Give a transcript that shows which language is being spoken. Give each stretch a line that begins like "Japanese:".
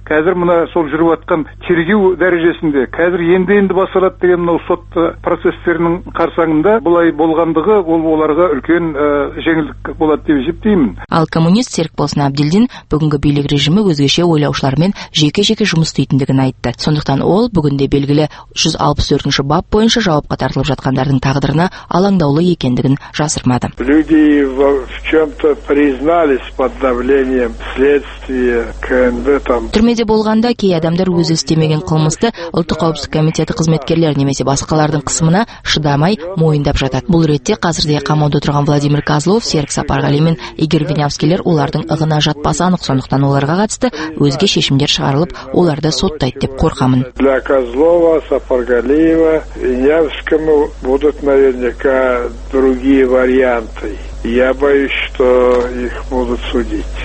Kazakh: Қазір мына сол жүріп жатқан тергеу дәрежесінде, қазір енді басталады деген мына сот процестерінің қарсаңында бұлай болғандығы ол оларға үлкен жеңілдік болады деп есептеймін. Ал коммунист Серікболсын Әбділдин бүгінгі билік режимі өзгеше ойлаушылармен жеке-жеке жұмыс істейтіндігін айтты. Сондықтан ол бүгінде белгілі 164-ші бап бойынша жауапқа тартылып жатқандардың тағдырына алаңдаулы екендігін жасырмады.
Russian: Люди в чем-то признались под давлением следствия КНБ там.
Kazakh: Түрмеде болғанда кей адамдар өзі істемеген қылмысты ұлттық қауіпсіздік комитеті қызметкерлері немесе басқалардың қысымына шыдамай мойындап жатады. Бұл ретте қазірде қамауда отырған Владимир Козлов, Серік Сапарғали мен Игорь Винявскийлер олардың ығына жатпасы анық, сондықтан оларға қатысты өзге шешімдер шығарылып, оларды соттайды деп қорқамын.
Russian: Для Козлова, Сапарғалиева, Винявскому будут наверняка другие варианты. Я боюсь, что их будут судить.